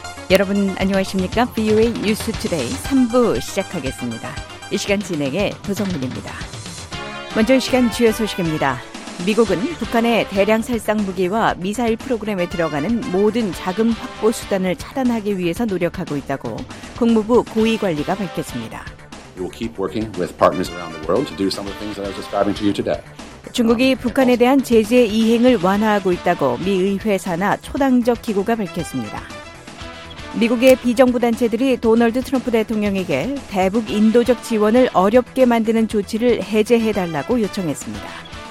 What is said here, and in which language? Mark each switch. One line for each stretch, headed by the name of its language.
Korean: 여러분 안녕하십니까? VOA News Today 3부 시작하겠습니다. 이 시간 진행의 도성민입니다. 먼저 이 시간 주요 소식입니다. 미국은 북한의 대량 살상 무기와 미사일 프로그램에 들어가는 모든 자금 확보 수단을 차단하기 위해서 노력하고 있다고 국무부 고위 관리가 밝혔습니다.
English: We will keep working with partners around the world to do some of the things that I was describing to you today.
Korean: 중국이 북한에 대한 제재 이행을 완화하고 있다고 미 의회 산하 초당적 기구가 밝혔습니다. 미국의 비정부단체들이 도널드 트럼프 대통령에게 대북 인도적 지원을 어렵게 만드는 조치를 해제해달라고 요청했습니다.